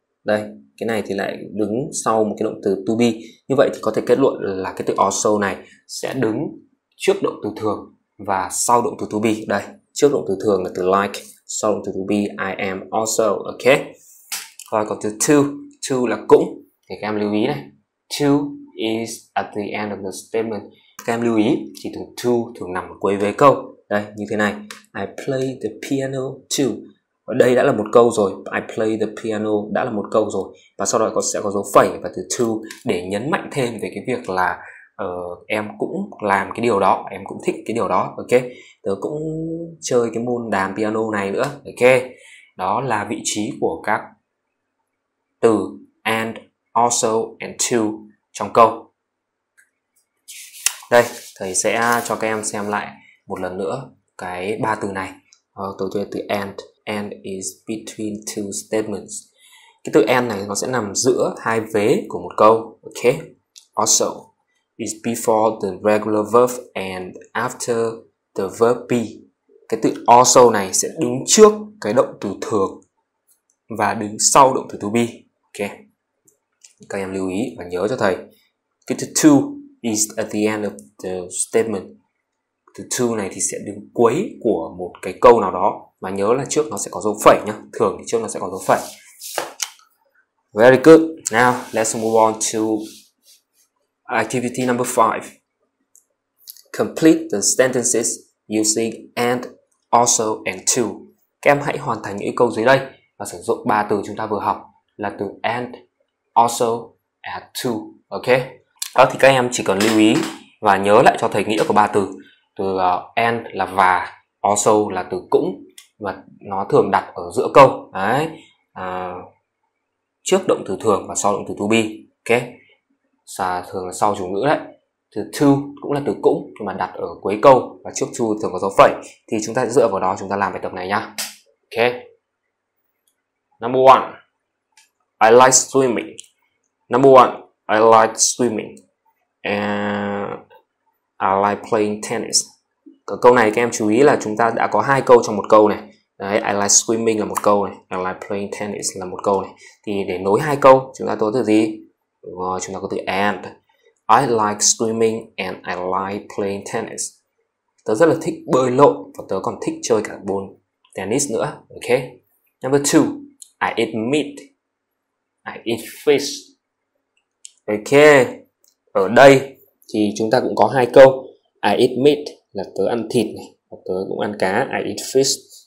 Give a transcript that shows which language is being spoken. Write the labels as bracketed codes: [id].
[vi] Đây, cái này thì lại đứng sau một cái động từ to be. Như vậy thì có thể kết luận là cái từ also này sẽ đứng trước động từ thường và sau động từ to be. Đây, trước động từ thường là từ like, sau động từ to be I am also, ok? Rồi còn từ to là cũng. Thì các em lưu ý này. [en] To is at the end of the statement. [vi] Các em lưu ý chỉ từ to thường nằm ở cuối vế câu. Đây, như thế này. [en] I play the piano too. [vi] Ở đây đã là một câu rồi. [en] I play the piano [vi] đã là một câu rồi. Và sau đó sẽ có dấu phẩy và từ to để nhấn mạnh thêm về cái việc là em cũng làm cái điều đó. Em cũng thích cái điều đó. Ok. Tớ cũng chơi cái môn đàn piano này nữa. Ok. Đó là vị trí của các từ and, also and to trong câu. Đây, thầy sẽ cho các em xem lại một lần nữa cái ba từ này. Tôi thuê từ and. [en] And is between two statements. [vi] Cái từ and này nó sẽ nằm giữa hai vế của một câu. [en] Ok. Also is before the regular verb and after the verb be. [vi] Cái từ also này sẽ đứng trước cái động từ thường và đứng sau động từ to be. Ok. Các em lưu ý và nhớ cho thầy. [en] Cái từ to is at the end of the statement. [vi] Từ to này thì sẽ đứng cuối của một cái câu nào đó. Mà nhớ là trước nó sẽ có dấu phẩy nhá. Thường thì trước nó sẽ có dấu phẩy. [en] Very good. Now, let's move on to activity number 5. Complete the sentences using and, also and to. [vi] Các em hãy hoàn thành những câu dưới đây và sử dụng ba từ chúng ta vừa học là từ and, also and to. Ok. Đó thì các em chỉ cần lưu ý và nhớ lại cho thầy nghĩa của ba từ. Từ and là và, also là từ cũng và nó thường đặt ở giữa câu. Đấy. Trước động từ thường và sau động từ to be. Ok. Và thường là sau chủ ngữ đấy. Từ to cũng là từ cũng nhưng mà đặt ở cuối câu và trước to thường có dấu phẩy. Thì chúng ta dựa vào đó chúng ta làm bài tập này nhá. [en] Ok. Number 1. I like swimming. Number one, I like swimming and I like playing tennis. [vi] Câu này các em chú ý là chúng ta đã có hai câu trong một câu này. Đấy, [en] I like swimming [vi] là một câu này, [en] I like playing tennis [vi] là một câu này. Thì để nối hai câu, chúng ta có từ gì? Rồi, chúng ta có từ and. [en] I like swimming and I like playing tennis. [vi] Tớ rất là thích bơi lội và tớ còn thích chơi cả bồn tennis nữa. [en] Ok. Number two, I eat meat. I eat fish. Ok. [vi] Ở đây thì chúng ta cũng có hai câu. [en] I eat meat [vi] là tớ ăn thịt này, và tớ cũng ăn cá. [en] I eat fish.